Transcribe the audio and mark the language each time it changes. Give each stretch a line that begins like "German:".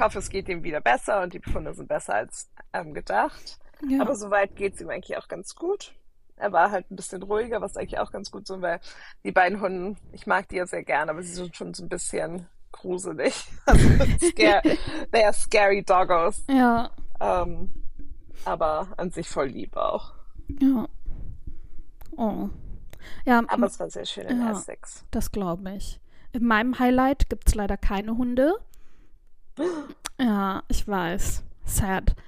German: hoffe, es geht ihm wieder besser und die Befunde sind besser als gedacht. Ja. Aber soweit geht es ihm eigentlich auch ganz gut. Er war halt ein bisschen ruhiger, was eigentlich auch ganz gut so, weil die beiden Hunde, ich mag die ja sehr gerne, aber sie sind schon so ein bisschen gruselig.
English: Also, they are scary doggos.
German: Ja. Aber an sich voll lieb auch. Ja. Oh. Ja, Aber es war sehr schön in Essex. das glaube ich. In meinem Highlight gibt es leider keine Hunde. Ja, ich weiß. Sad.